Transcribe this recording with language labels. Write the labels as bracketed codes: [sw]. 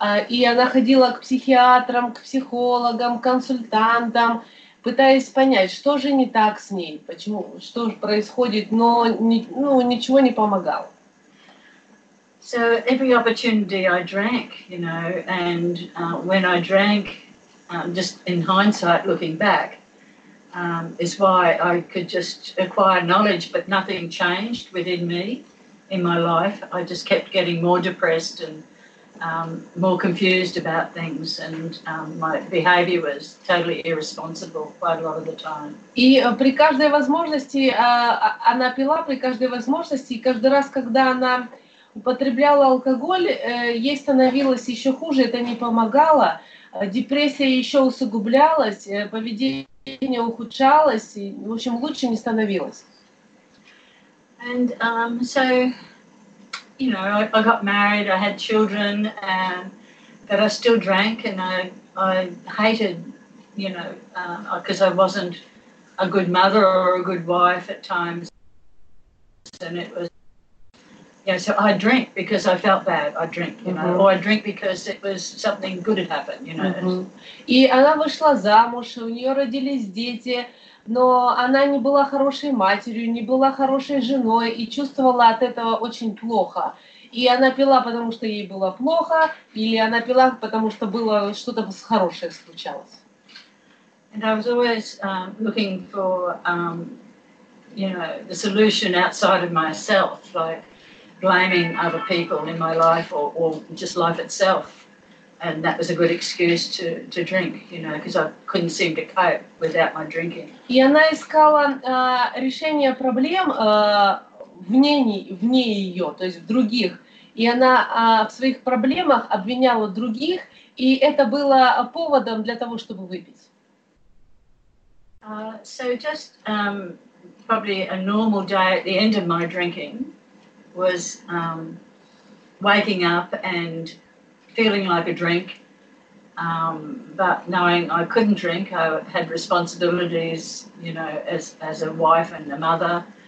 [ru] И она ходила к психиатрам, к психологам, консультантам, пытаясь понять, что же не так с ней, почему, что же происходит, но ничего не помогало. [en] So every opportunity I drank, you know, and when I drank, just in hindsight looking back, is why I could just acquire knowledge, but nothing changed within me. In my life, I just kept getting more depressed and more confused about things, and my behavior was totally irresponsible quite a lot of the time. [ru] И при каждой возможности она пила, при каждой возможности, каждый раз, когда она употребляла алкоголь, ей становилось еще хуже, это не помогало, депрессия еще усугублялась, поведение ухудшалось, и, в общем, лучше не становилось. [en] And so, you know, I got married, I had children, but I still drank, and I hated, you know, because I wasn't a good mother or a good wife at times, and it was, yeah. So I drink because I felt bad. I drink, you know, or I drink because it was something good had happened, you know. [ru] И она вышла замуж, у нее родились дети. Но она не была хорошей матерью, не была хорошей женой и чувствовала от этого очень плохо. И она пила, потому что ей было плохо, или она пила, потому что было что-то хорошее случалось. [en] And I was always looking for, you know, the solution outside of myself, like blaming other people in my life or just life itself. And that was a good excuse to drink, you know, because I couldn't seem to cope without my drinking. [ru] И она искала решение проблем вне ее, то есть в других. И она в своих проблемах обвиняла других, и это было поводом для того, чтобы выпить. [en] So just probably a normal day at the end of my drinking was waking up and feeling like a drink, but knowing I couldn't drink. I had responsibilities, you know, as a wife and a mother.